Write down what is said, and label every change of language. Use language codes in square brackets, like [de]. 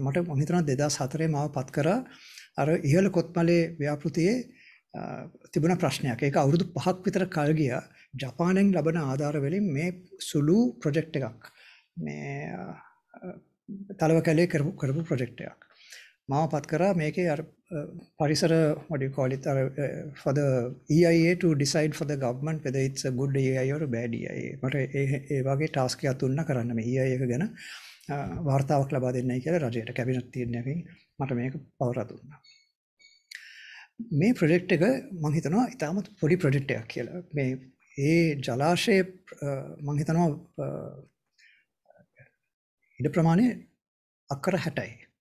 [si] මට මොහිතනවා 2004 මාව පත් කරා අර ඉහළ කොත්මලේ ව්‍යාපෘතියේ තිබුණ ප්‍රශ්නයක්. ඒක අවුරුදු 5ක් විතර කල් ගියා. ජපානයෙන් ලැබෙන ආධාර වලින් මේ සුළු ප්‍රොජෙක්ට් එකක් මේ තලවකැලේ කරපු ප්‍රොජෙක්ට් එකක් මම පත් කරා. මේකේ අර පරිසර [en] what do you call it for the EIA to decide for the government whether it's a good EIA or a bad EIA. [si] මට ඒ වගේ ටාස්ක් එකක් දුන්නා කරන්න මේ EIA එක ගැන වාර්තාවක් ලබා දෙන්නයි කියලා රජයට කැබිනට් තීරණයකින් මට මේක පවරා දුන්නා. මේ ප්‍රොජෙක්ට් එක මම හිතනවා ඉතාමත් පොඩි ප්‍රොජෙක්ට් එකක් කියලා. මේ ඒ ජලාශයේ මම හිතනවා ඉඩ ප්‍රමාණය අක්කර 60යි.